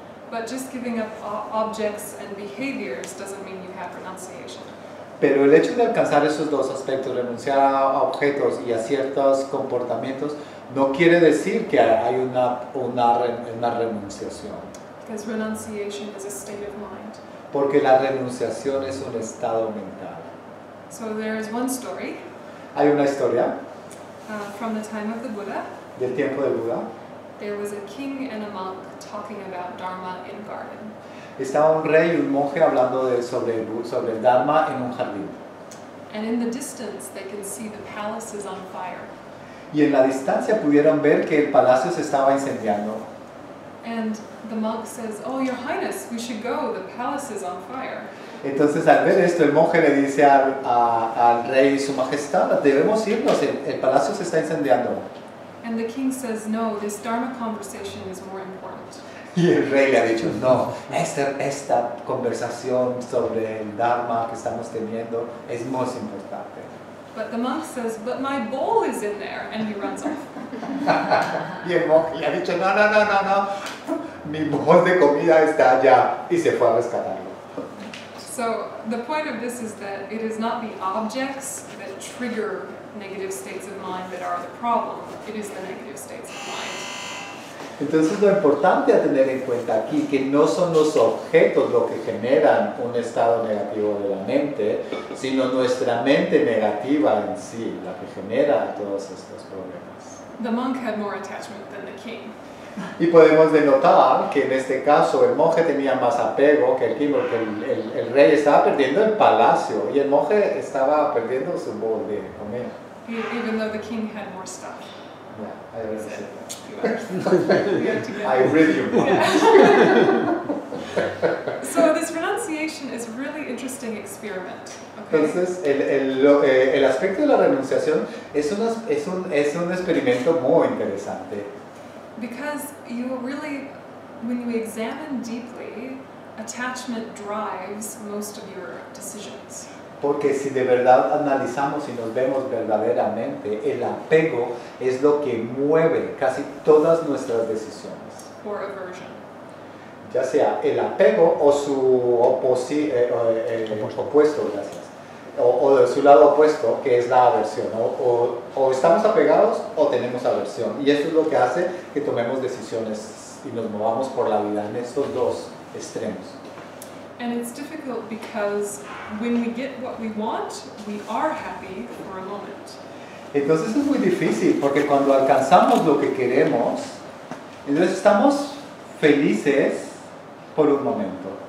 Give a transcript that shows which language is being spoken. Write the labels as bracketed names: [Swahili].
[English] But just giving up objects and behaviors doesn't mean you have renunciation. [Spanish] Pero el hecho de alcanzar esos dos aspectos, renunciar a objetos y a ciertos comportamientos, no quiere decir que hay una renunciación. [English] Because renunciation is a state of mind. [Spanish] Porque la renunciación es un estado mental. [English] So there is one story. [Spanish] Hay una historia. [English] From the time of the Buddha. [Spanish] Del tiempo del Buda. [English] There was a king and a monk talking about Dharma in a garden. [Spanish] Estaba un rey y un monje hablando sobre el Dharma en un jardín. [English] And in the distance they can see the palaces on fire. [Spanish] Y en la distancia pudieron ver que el palacio se estaba incendiando. [English] And the monk says, "Oh, your highness, we should go. The palace is on fire." [Spanish] Entonces, al ver esto, el monje le dice al rey, su majestad, debemos irnos. El palacio se está incendiando. [English] And the king says, "No, this Dharma conversation is more important." [Spanish] Y el rey le ha dicho, "No, esta conversación sobre el Dharma que estamos teniendo es más importante." [English] But the monk says, "But my bowl is in there," and he runs off. [Spanish] Y el monje le ha dicho, no, mi bol de comida está allá, y se fue a rescatarlo. [English] So, the point of this is that it is not the objects that trigger negative states of mind that are the problem, it is the negative states of mind. [Spanish] Entonces, lo importante a tener en cuenta aquí, que no son los objetos lo que generan un estado negativo de la mente, sino nuestra mente negativa en sí, la que genera todos estos problemas. [English] The monk had more attachment than the king. [Spanish] Y podemos denotar que en este caso el monje tenía más apego que el [English] king, [Spanish] porque el rey estaba perdiendo el palacio y el monje estaba perdiendo su [English] bowl [Spanish] de comer. [English] Even though the king had more stuff. Yeah, I read you. So this renunciation is really interesting experiment. [Spanish] Entonces, el aspecto de la renunciación es un experimento muy interesante. [English] Because you really, when you examine deeply, attachment drives most of your decisions. [Spanish] Porque si de verdad analizamos y nos vemos verdaderamente, el apego es lo que mueve casi todas nuestras decisiones. [English] Or aversion. [Spanish] Ya sea el apego o su opuesto, gracias. O de su lado opuesto, que es la aversión, ¿no? O estamos apegados o tenemos aversión. Y esto es lo que hace que tomemos decisiones y nos movamos por la vida en estos dos extremos. [English] And it's difficult because when we get what we want, we are happy for a moment. [Spanish] Entonces es muy difícil porque cuando alcanzamos lo que queremos, entonces estamos felices por un momento.